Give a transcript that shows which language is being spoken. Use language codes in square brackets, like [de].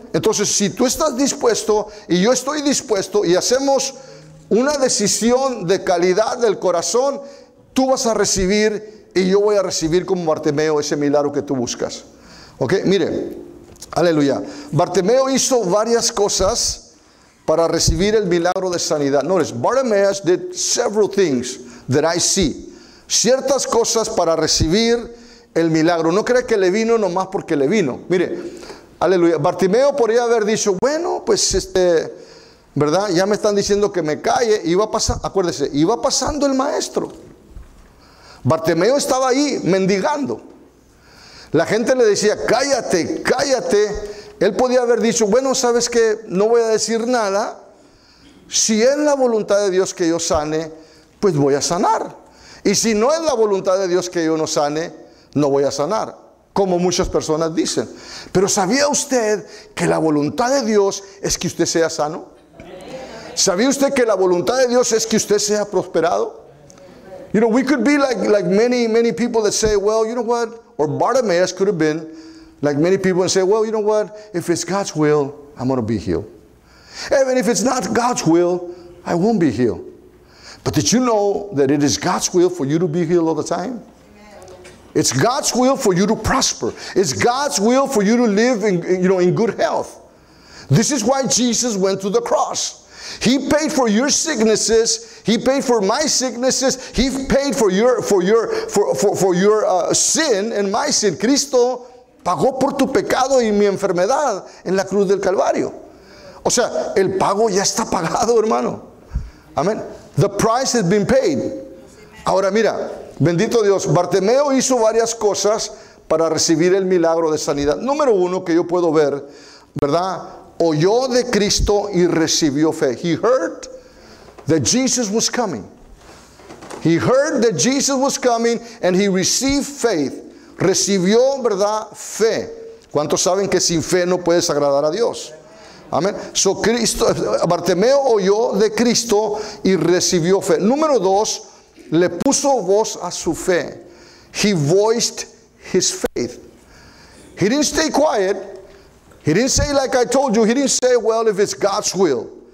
[es] Entonces, si tú estás dispuesto y yo estoy dispuesto y hacemos una decisión de calidad del corazón, tú vas a recibir y yo voy a recibir como Bartimeo ese milagro que tú buscas. Ok, mire, aleluya. Bartimeo hizo varias cosas para recibir el milagro de sanidad. [en] Notice, Bartimeus did several things that I see. [es] Ciertas cosas para recibir el milagro. No cree que le vino nomás porque le vino. Mire, aleluya. Bartimeo podría haber dicho, bueno, pues ¿verdad? Ya me están diciendo que me calle. Iba pasando el maestro. Bartimeo estaba ahí mendigando. La gente le decía, cállate, cállate. Él podía haber dicho, bueno, ¿sabes qué? No voy a decir nada. Si es la voluntad de Dios que yo sane, pues voy a sanar. Y si no es la voluntad de Dios que yo no sane, no voy a sanar. Como muchas personas dicen. Pero ¿sabía usted que la voluntad de Dios es que usted sea sano? ¿Sabía usted que la voluntad de Dios es que usted sea prosperado? [en] You know, we could be like many, many people that say, well, you know what? Or Bartimaeus could have been like many people and say, well, you know what? If it's God's will, I'm going to be healed. Even if it's not God's will, I won't be healed. But did you know that it is God's will for you to be healed all the time? It's God's will for you to prosper. It's God's will for you to live in good health. This is why Jesus went to the cross. He paid for your sicknesses. He paid for my sicknesses. He paid for your sin and my sin. [es] Cristo pagó por tu pecado y mi enfermedad en la cruz del Calvario. O sea, el pago ya está pagado, hermano. Amén. [en] The price has been paid. [es] Ahora mira, bendito Dios, Bartimeo hizo varias cosas para recibir el milagro de sanidad. Número uno que yo puedo ver, ¿verdad? Oyó de Cristo y recibió fe. [en] He heard that Jesus was coming. He heard that Jesus was coming and he received faith. [es] Recibió, ¿verdad? Fe. ¿Cuántos saben que sin fe no puedes agradar a Dios? Amén. So Cristo, Bartimeo oyó de Cristo y recibió fe. Número dos, le puso voz a su fe. [en] He voiced his faith. He didn't stay quiet. He didn't say like I told you. He didn't say, well, if it's God's will.